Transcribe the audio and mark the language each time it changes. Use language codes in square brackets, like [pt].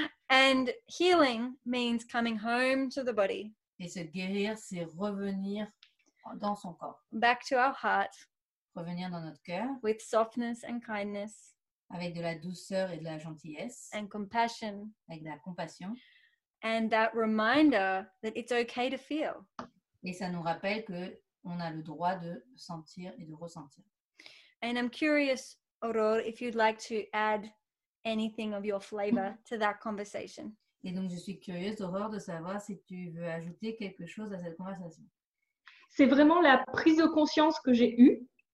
[en] And healing means coming home to the body. [fr] Et se guérir, c'est revenir dans son corps. [en] Back to our heart. [fr] Revenir dans notre cœur. [en] With softness and kindness. [fr] Avec de la douceur et de la gentillesse. [en] And compassion. [fr] Avec de la compassion. [en] And that reminder that it's okay to feel. [fr] Et ça nous rappelle que on a le droit de sentir et de ressentir. [en] And I'm curious, Aurore, if you'd like to add anything of your flavor to that conversation. [fr] Et donc, je suis curieuse, Aurore, de savoir si tu veux ajouter quelque chose à cette conversation. C'est vraiment la prise de conscience que j'ai eue.